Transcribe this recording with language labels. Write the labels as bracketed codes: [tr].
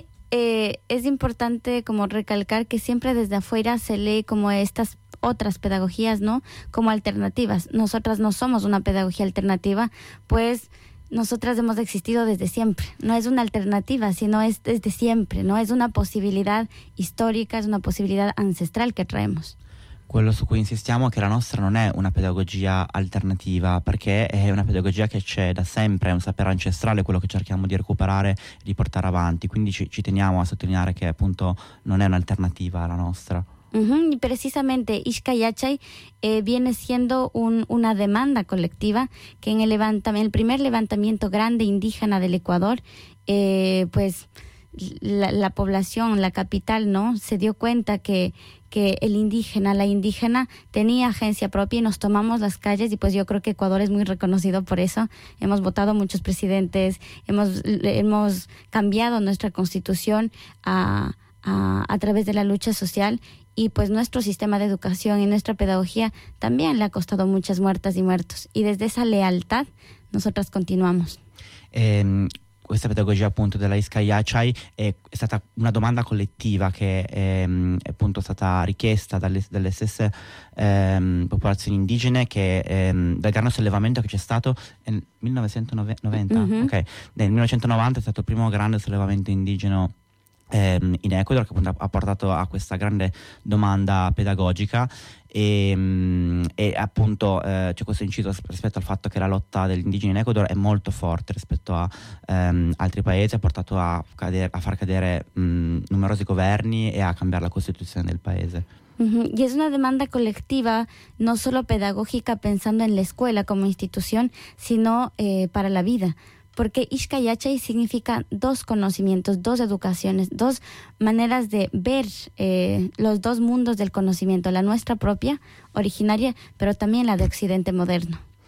[es] Es importante como recalcar que siempre desde afuera se lee como estas otras pedagogías, ¿no? Como alternativas. Nosotras no somos una pedagogía alternativa, pues nosotras hemos existido desde siempre. No es una alternativa, sino es desde siempre, ¿no? Es una posibilidad histórica, es una posibilidad ancestral que traemos. [it] Quello su cui insistiamo è che la nostra non è una pedagogia alternativa, perché è una pedagogia che c'è da sempre, è un sapere ancestrale quello che cerchiamo di recuperare e di portare avanti. Quindi ci teniamo a sottolineare che appunto non è un'alternativa la nostra. [es] Y precisamente Ixcay Yachay viene siendo una demanda colectiva que el primer levantamiento grande indígena del Ecuador, pues la población, la capital, ¿no?, se dio cuenta que el indígena, la indígena tenía agencia propia y nos tomamos las calles, y pues yo creo que Ecuador es muy reconocido por eso. Hemos votado muchos presidentes, hemos cambiado nuestra constitución a través de la lucha social, y pues nuestro sistema de educación y nuestra pedagogía también le ha costado muchas muertas y muertos, y desde esa lealtad nosotras continuamos. [it] Questa pedagogia appunto della Ixcay Yachay è stata una domanda collettiva che è appunto stata richiesta dalle stesse popolazioni indigene, che dal grande sollevamento che c'è stato nel 1990, nel 1990 è stato il primo grande sollevamento indigeno in Ecuador, che appunto ha portato a questa grande domanda pedagogica. E appunto c'è questo inciso rispetto al fatto che la lotta degli indigeni in Ecuador è molto forte rispetto a altri paesi, ha portato a far cadere numerosi governi e a cambiare la costituzione del paese. [es] Y es una demanda colectiva, no solo pedagógica, pensando en la escuela como institución, sino para la vida. Porque Ishkayachay significa dos conocimientos, dos educaciones, dos maneras de ver los dos mundos del conocimiento, la nuestra propia, originaria, pero también la de Occidente moderno.